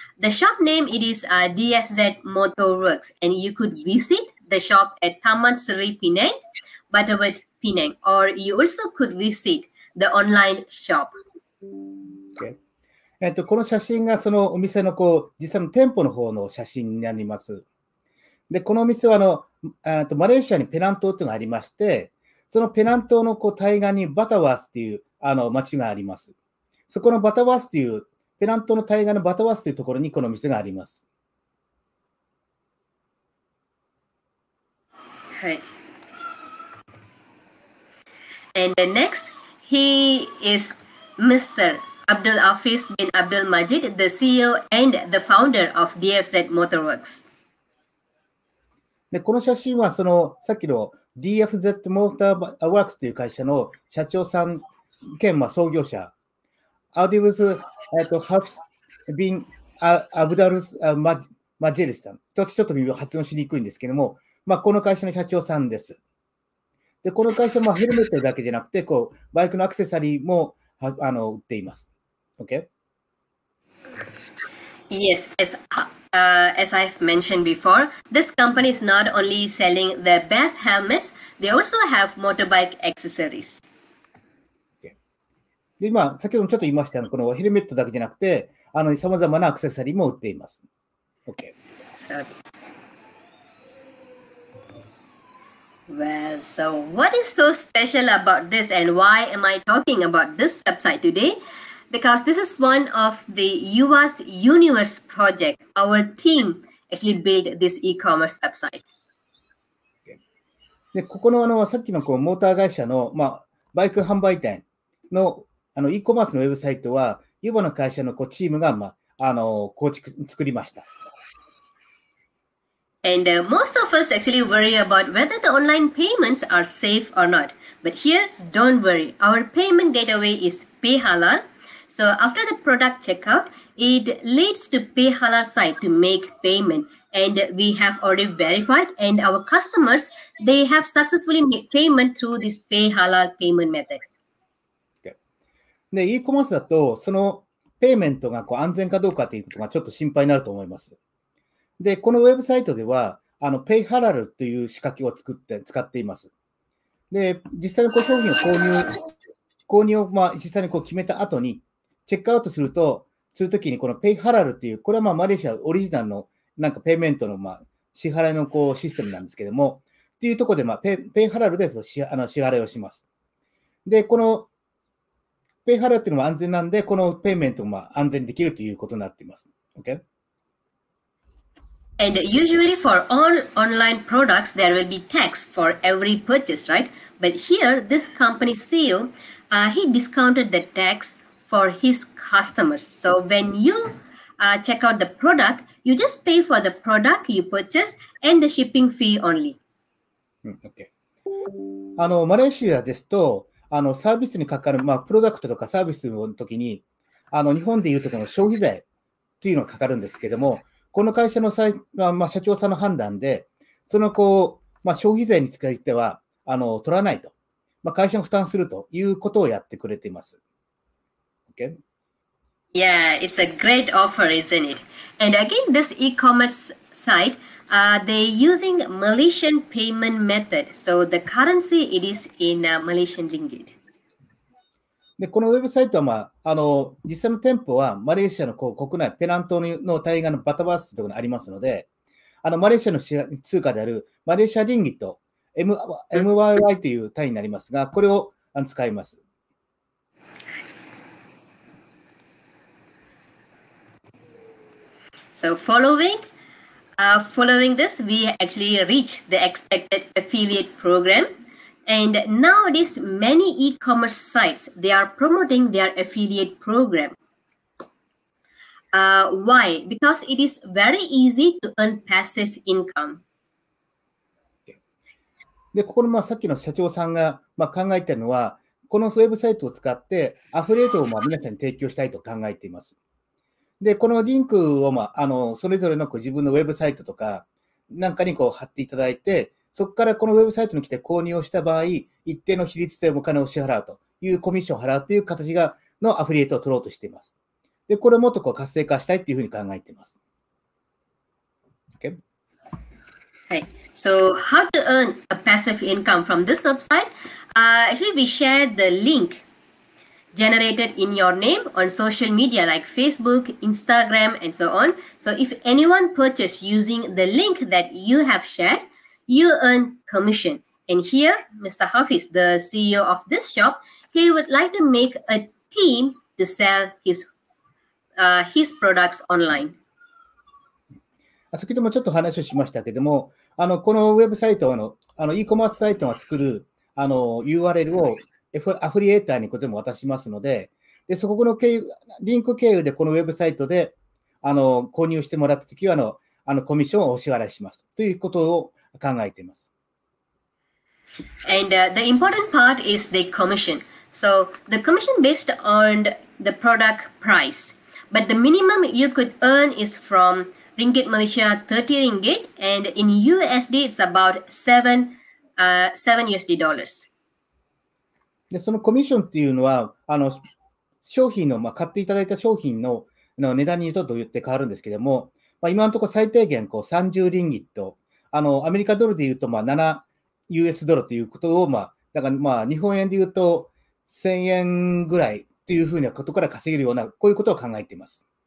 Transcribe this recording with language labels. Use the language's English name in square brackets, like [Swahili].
[English] The shop name, it is DFZ Motorworks, and you could visit the shop at Taman Seri Penang, Butterwood Penang, or you also could visit the online shop. [Japanese] Okay, この写真がそのお店のこう実際の店舗の方の写真になります。で、このお店はマレーシアにペナン島というのがありまして、そのペナン島のこう対岸にバタワースという町があります。そこのバタワースという、ペナン島の対岸のバタワースというところにこの店があります。はい。 [English] And the next, he is Mr. Abdul Afis bin Abdul Majid, the CEO and the founder of DFZ Motorworks. [Japanese] でこの写真はそのさっきの DFZ モーターワークスという会社の社長さん兼まあ創業者アディブス・ハフス・ビン・アブダルス・マジェリスさん。ちょっと発音しにくいんですけども、まあ、この会社の社長さんです。でこの会社もヘルメットだけじゃなくてこうバイクのアクセサリーも売っています。 [English] Okay? Yes, yes. As I've mentioned before, this company is not only selling the best helmets, they also have motorbike accessories. Okay. [Japanese] で、今、先ほどもちょっと言いましたが、このヘルメットだけじゃなくて、さまざまなアクセサリーも売っています。 [English] Okay. So, well, so what is so special about this and why am I talking about this website today? Because this is one of the UAS Universe project. Our team actually built this e-commerce website. [Japanese] で、ここの、さっきの、モーター会社の、まあ、バイク販売店の、e コマースのウェブサイトは、ユボの会社のこうチームが、まあ、構築、作りました。 [English] And most of us actually worry about whether the online payments are safe or not. But here, don't worry. Our payment gateway is PayHala. So after the product checkout, it leads to PayHala site to make payment. And we have already verified and our customers, they have successfully made payment through this PayHala payment method. Okay. [Japanese] で、e-commerce だとそのペイメントがこう安全かどうかということがちょっと心配になると思います。で、このウェブサイトでは、ペイハラルという仕掛けを使っています。で、実際にこう商品を購入をまあ実際にこう決めた後に、チェックアウトすると、するときにこのペイハラルという、これはまあマレーシアオリジナルのなんかペイメントのまあ支払いのこうシステムなんですけども、っていうところでまあペイハラルで支払いをします。で、このペイハラルっていうのも安全なんで、このペイメントもまあ安全にできるということになっています。 [English] Okay? And usually for all online products, there will be tax for every purchase, right? But here, this company CEO, he discounted the tax for his customers. So when you check out the product, you just pay for the product you purchase and the shipping fee only. Okay. [Japanese] マレーシアですと、サービスにかかる、まあ、プロダクトとかサービスの時に、日本でいうとこの消費税というのがかかるんですけども、この会社の、まあ、社長さんの判断で、そのこう、まあ、消費税については取らないと、まあ、会社が負担するということをやってくれています。 [English] Okay? Yeah, it's a great offer, isn't it? And again, this e-commerce site, they're using Malaysian payment method. So the currency, it is in Malaysian ringgit. [Japanese] で、このウェブサイトは、まあ、実際の店舗はマレーシアの国内ペナン島の対岸のバタバースというところにありますので、マレーシアの通貨であるマレーシアリンギット、MYY という単位になりますが、これを使います。 [English] So following this, we actually reached the expected affiliate program. And nowadays, many e-commerce sites, they are promoting their affiliate program. Why? Because it is very easy to earn passive income. [Japanese] で、ここのまあさっきの社長さんがまあ考えているのは、このウェブサイトを使ってアフィリエイトをまあ皆さんに提供したいと考えています。で、このリンクをまあそれぞれのこう自分のウェブサイトとかなんかにこう貼っていただいて、そこからこのウェブサイトに来て購入をした場合、一定の比率でお金を支払うというコミッションを払うという形がのアフィリエイトを取ろうとしています。で、これをもっとこう活性化したいというふうに考えています。 [English] Okay. Hey. So, how to earn a passive income from this website? Actually, we share the link generated in your name on social media like Facebook, Instagram, and so on. So, if anyone purchased using the link that you have shared,You earn commission. And here, Mr. Hafiz, the CEO of this shop, he would like to make a team to sell his products online. [Japanese] 先ほどもちょっと話をしましたけども、このウェブサイトは e コマースサイトが作る URL をアフリエーターに全部渡しますので、でそこの経由リンク経由でこのウェブサイトで購入してもらったときはコミッションをお支払いしますということを考えています。 [English] And the important part is the commission. So the commission based on the product price. But the minimum you could earn is from Ringgit Malaysia 30 Ringgit and in USD it's about 7 USD dollars. [Japanese] でそのコミッションっていうのは商品の、まあ、買っていただいた商品 の値段によってどうやって変わるんですけども、まあ、今のところ最低限こう30リンギットアメリカドルで言うと、まあ、7 US ドルということを、まあ、だから、まあ、日本円で言うと、1000円ぐらいというふうなことから稼げるような、こういうことを考えています。